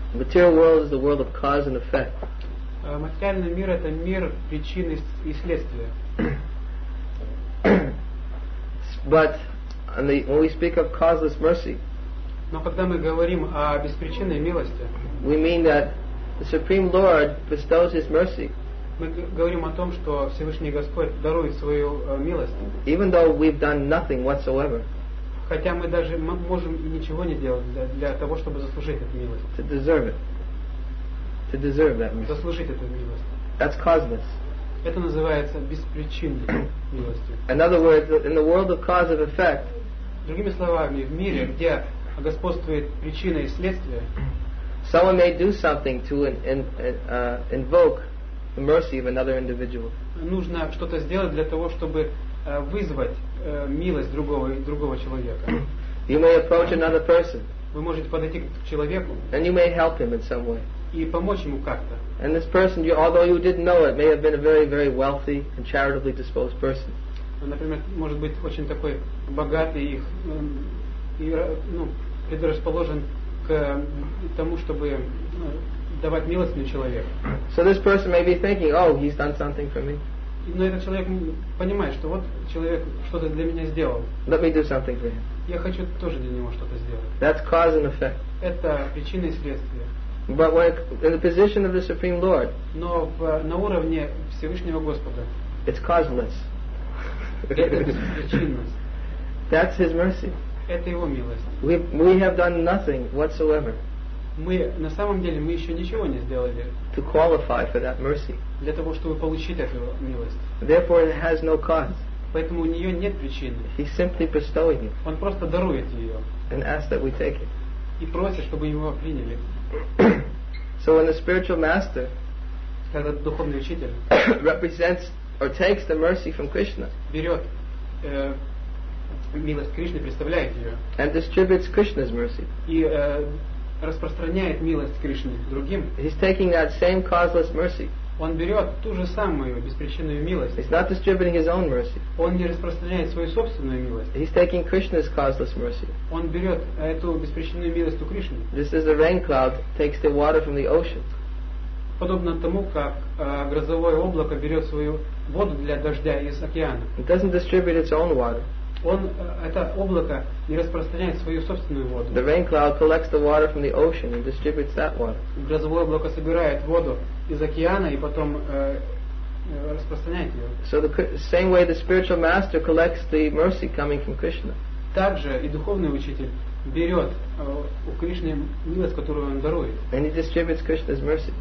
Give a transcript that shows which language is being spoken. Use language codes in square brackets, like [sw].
[en] The material world is the world of cause and effect. [ru] Материальный мир — это мир причины и следствия. [en] But and when we speak of causeless mercy, [ru] но когда мы говорим о беспричинной милости, [en] we mean that the Supreme Lord bestows His mercy. [ru] Мы говорим о том, что Всевышний Господь дарует свою милость. [en] Even though we've done nothing whatsoever. [ru] Хотя мы даже можем и ничего не делать для того, чтобы заслужить эту милость. [en] To deserve it. To deserve that mercy. [ru] Заслужить эту милость. [en] That's causeless. [ru] Это называется беспричинной милостью. [en] In other words, in the world of cause and effect. [ru] Другими словами, в мире, где господствует причина и следствие. [en] Someone may do something to invoke the mercy of another individual. [ru] Нужно что-то сделать для того, чтобы вызвать милость другого человека. [en] You may approach another person. [ru] Вы можете подойти к человеку. [en] And you may help him in some way. [ru] И помочь ему как-то. [en] And this person, although you didn't know it, may have been a very, very wealthy and charitably disposed person. [ru] Например, может быть очень такой богатый и предрасположен к тому, чтобы давать милость человеку. [en] So this person may be thinking, oh, he's done something for me. [ru] Но этот человек понимает, что вот человек что-то для меня сделал. [en] Let me do something for him. [ru] Я хочу тоже для него что-то сделать. [en] That's cause and effect. [ru] Это причина и следствие. [en] But when in the position of the Supreme Lord, [ru] но на уровне Всевышнего Господа, [en] it's causeless. That's His mercy. [ru] Это Его милость. [en] We have done nothing whatsoever. [ru] Мы на самом деле мы еще ничего не сделали. [en] To qualify for that mercy. [ru] Для того чтобы получить эту милость. [en] Therefore, it has no cause. [ru] Поэтому у нее нет причины. [en] He's simply bestowing it. [ru] Он просто дарует ее. [en] And asks that we take it. [ru] И просит, чтобы его приняли. [en] So when the spiritual master represents or takes the mercy from Krishna, [ru] берет милость Кришны, представляет ее, [en] and distributes Krishna's mercy, [ru] и распространяет милость Кришны другим, [en] he's taking that same causeless mercy. [ru] Он берет ту же самую беспричинную милость. [en] He's not distributing his own mercy. [ru] Он не распространяет свою собственную милость. [en] He's taking Krishna's causeless mercy. [ru] Он берет эту беспричинную милость у Кришны. [en] This is the rain cloud takes the water from the ocean. [ru] Подобно тому, как грозовое облако берет свою воду для дождя из океана. [en] It doesn't distribute its own water. [ru] Он это облако не распространяет свою собственную воду. [en] The rain cloud collects the water from the ocean and distributes that water. [ru] Грозовое облако собирает воду из океана и потом распространяет ее. [en] So the same way the spiritual master collects the mercy coming from Krishna. [ru] Также и духовный учитель берет у Кришны милость, которую он дарует. [en] And he distributes Krishna's mercy.